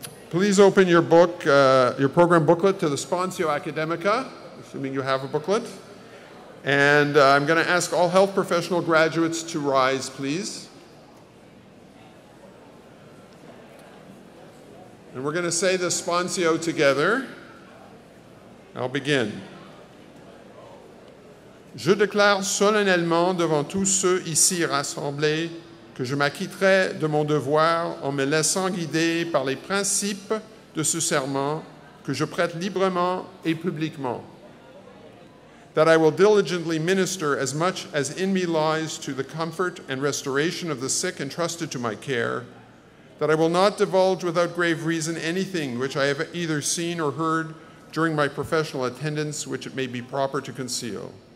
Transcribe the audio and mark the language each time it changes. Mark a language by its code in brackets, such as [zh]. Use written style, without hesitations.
[en] Please open your book, your program booklet to the Sponsio Academica, assuming you have a booklet. And I'm going to ask all health professional graduates to rise, please. And we're going to say the sponsio together. I'll begin. [fr] Je déclare solennellement devant tous ceux ici rassemblés que je m'acquitterai de mon devoir en me laissant guider par les principes de ce serment que je prête librement et publiquement. [en] That I will diligently minister as much as in me lies to the comfort and restoration of the sick entrusted to my care, that I will not divulge without grave reason anything which I have either seen or heard during my professional attendance which it may be proper to conceal.